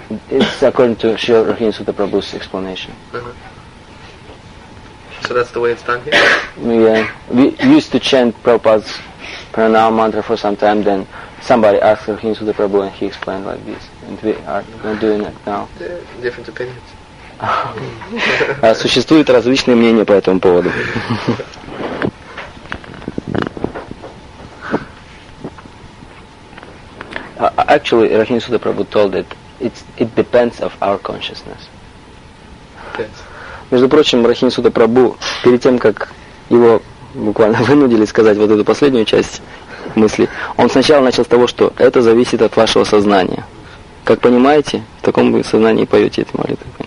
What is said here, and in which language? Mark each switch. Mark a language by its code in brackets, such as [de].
[en] It's according to Srila Rahim Sutta Prabhu's explanation. So that's the way it's done here? Yeah. We used to chant Prabhupada's prana mantra for some time, then somebody asked him to the Prabhu and he explained like this. And we are doing it now. Different opinions. [ru] Существуют различные мнения по этому поводу. [en] Actually, Rahim Sutta Prabhu told that it depends on our consciousness. Yes. [ru] Между прочим, Рахим Сутта Прабху, перед тем, как его буквально вынудили сказать вот эту последнюю часть мысли, он сначала начал с того, что это зависит от вашего сознания. Как понимаете, в таком вы сознании поете эту молитву.